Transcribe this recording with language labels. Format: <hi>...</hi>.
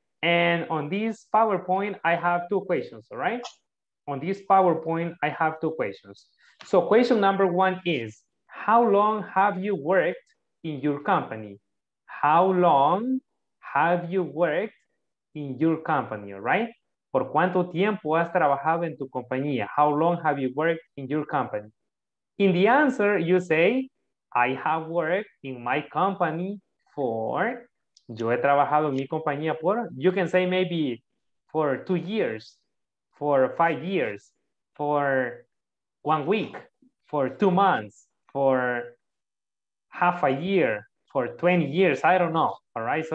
<en>And on this PowerPoint, I have two questions, all right? On this PowerPoint, I have two questions. So question number one is, how long have you worked in your company? How long have you worked in your company, all right?</en> <es>¿Por cuánto tiempo has trabajado en tu compañía?</es> <en>How long have you worked in your company? In the answer, you say, I have worked in my company for,</en> <es>yo he trabajado en mi compañía por,</es> <en>you can say maybe for 2 years, for 5 years, for 1 week, for 2 months, for half a year, for 20 years, I don't know, all right?</en>